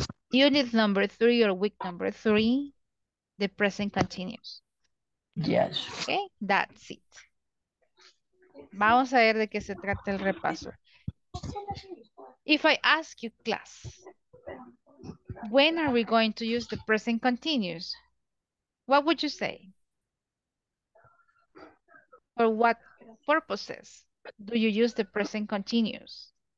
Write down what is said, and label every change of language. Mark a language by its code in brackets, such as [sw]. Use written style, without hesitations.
[en] Unit number three or week number three, the present continuous. Yes. Okay, that's it. [es] Vamos a ver de qué se trata el repaso. [en] If I ask you, class, when are we going to use the present continuous? What would you say? For what purposes do you use the present continuous?